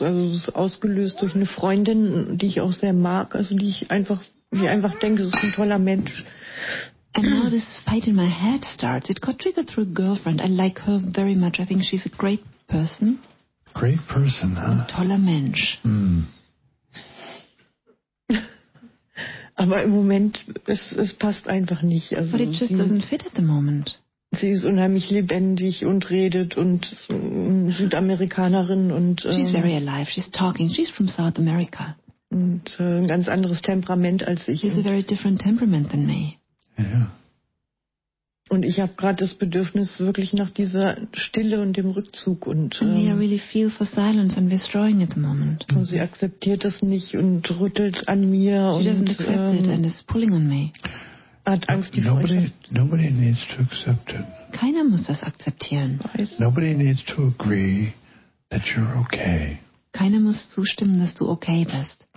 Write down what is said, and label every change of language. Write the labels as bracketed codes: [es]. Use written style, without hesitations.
[de] Also es ist ausgelöst durch eine Freundin, die ich auch sehr mag. Also die ich einfach, denke, es ist ein toller Mensch. [en] And now this fight in my head starts. It got triggered through a girlfriend. I like her very much. I think she's a great person. Great person, huh? [de] Ein toller Mensch. Aber im Moment, es passt einfach nicht. Also, [en] but it just doesn't fit at the moment. [de] Sie ist unheimlich lebendig und redet und Südamerikanerin. [en] She's very alive. She's talking. She's from South America. [de] Und ein ganz anderes Temperament als ich. [en] She's a very different temperament than me. Yeah. [de] Und ich habe gerade das Bedürfnis wirklich nach dieser Stille und dem Rückzug. Und [en] we are really feel for silence and withdrawing at the moment. [de] Und sie akzeptiert das nicht und rüttelt an mir. [en] And is pulling on me. [de] Hat Angst, die [en] nobody needs to accept it. [de] Keiner muss das akzeptieren. [en] Nobody needs to agree that you're okay. [de] Keiner muss zustimmen, dass du okay bist.